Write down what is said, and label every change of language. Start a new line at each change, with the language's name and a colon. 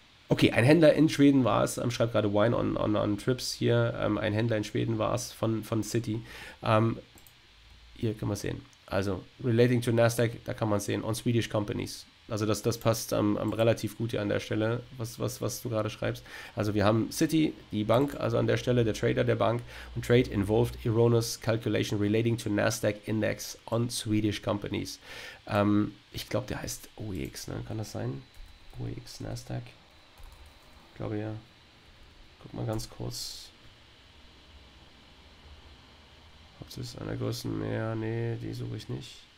German: Okay, ein Händler in Schweden war es, schreibt gerade Wine on Trips hier, ein Händler in Schweden war es von City. Hier kann man es sehen. Also,
English: relating to Nasdaq,
German: da kann man es sehen,
English: on Swedish Companies.
German: Also das passt relativ gut hier an der Stelle, was du gerade schreibst. Also wir haben City, die Bank, also an der Stelle der Trader der Bank. Und
English: Trade involved erroneous calculation relating to Nasdaq Index on Swedish Companies.
German: Ich glaube, der heißt OEX, ne? Kann das sein? OEX Nasdaq. Ich glaube ja. Guck mal ganz kurz. Ob es einer größten mehr? Nee, die suche ich nicht.